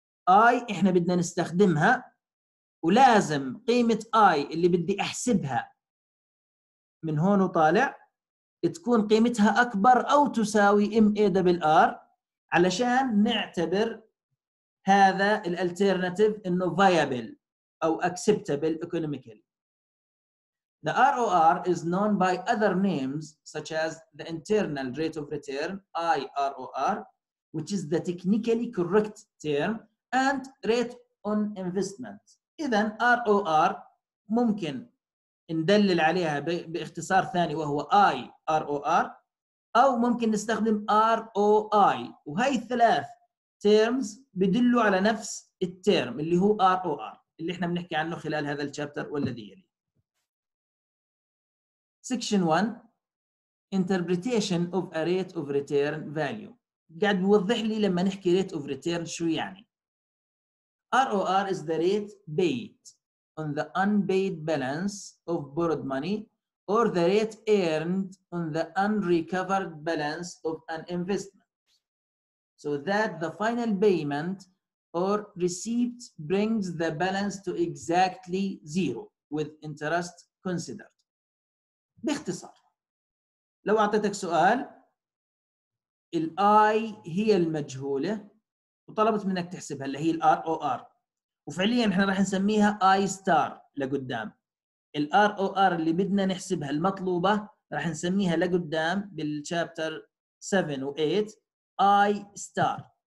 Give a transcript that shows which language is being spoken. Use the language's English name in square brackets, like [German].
[Arabic] I إحنا بدنا نستخدمها، ولازم قيمة I اللي بدي أحسبها من هون وطالع تكون قيمتها أكبر أو تساوي MAR علشان نعتبر هذا الالترناتيف إنه viable أو acceptable economically. [English] The ROR is known by other names such as the internal rate of return IROR, which is the technically correct term, and rate on investment. [Arabic] إذن ROR ممكن ندلل عليها باختصار ثاني وهو IROR، أو ممكن نستخدم ROI، وهي الثلاث terms بدلوا على نفس الترم اللي هو R أو R اللي احنا بنحكي عنه خلال هذا الشابتر والذي يلي. [English] Section 1 Interpretation of a rate of return value. [Arabic] قاعد بيوضح لي لما نحكي rate of return شو يعني. [English] ROR is the rate paid on the unpaid balance of borrowed money or the rate earned on the unrecovered balance of an investment so that the final payment or receipt brings the balance to exactly zero with interest considered. [Arabic] باختصار لو أعطيتك سؤال الـ I هي المجهولة وطلبت منك تحسبها اللي هي الـ ROR وفعليا احنا راح نسميها I star لقدام الـ ROR اللي بدنا نحسبها المطلوبة راح نسميها لقدام بالشابتر 7 و 8 I star